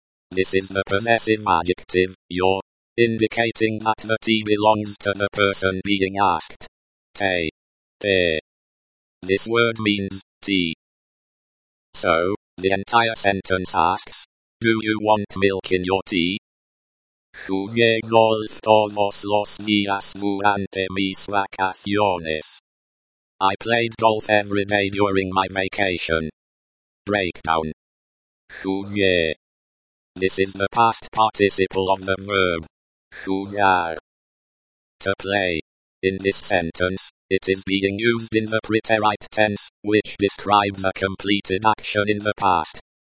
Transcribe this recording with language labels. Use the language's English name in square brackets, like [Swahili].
[English] This is the possessive adjective, your, indicating that the tea belongs to the person being asked. Te. This word means tea. So, the entire sentence asks, do you want milk in your tea? [Spanish] Jugué golf todos los días durante mis vacaciones. [English] I played golf every day during my vacation. Breakdown. Jugué. This is the past participle of the verb. Jugar. To play. In this sentence, it is being used in the preterite tense, which describes a completed action in the past.